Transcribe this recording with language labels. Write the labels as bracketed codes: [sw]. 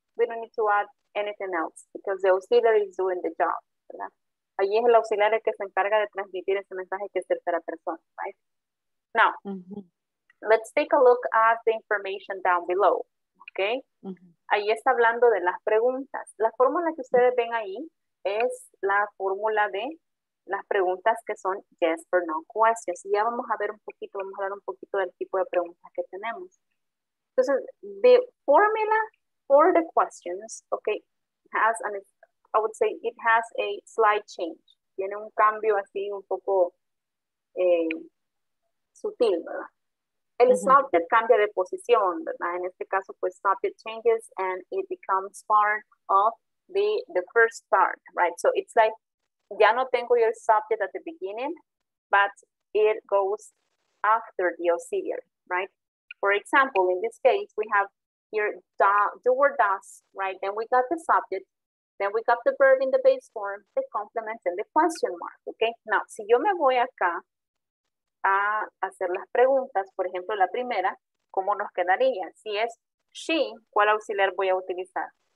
[en] We don't need to add anything else because the auxiliary is doing the job. [es] ¿Verdad? Allí es el auxiliar el que se encarga de transmitir ese mensaje que es tercera persona. [en] Right? Now, let's take a look at the information down below. [es] Okay? Allí está hablando de las preguntas. La fórmula que ustedes ven ahí es la fórmula de las preguntas que son [en] yes or no questions. [es] Y ya vamos a ver un poquito, vamos a hablar un poquito del tipo de preguntas que tenemos. [en] Entonces, the formula for the questions, okay, it has a slight change. [es] Tiene un cambio así un poco sutil, ¿verdad? El subject cambia de posición, ¿verdad? En este caso, pues, [en] subject changes and it becomes part of the first part, right? So it's like, [es] ya no tengo [en] your subject at the beginning, but it goes after the auxiliary, right? For example, in this case, we have here, do or does, right? Then we got the subject. Then we got the verb in the base form, the complement, and the question mark, okay? [es] Now, si yo me voy acá a hacer las preguntas, por ejemplo, la primera, ¿cómo nos quedaría? Si es she, ¿cuál auxiliar voy a utilizar?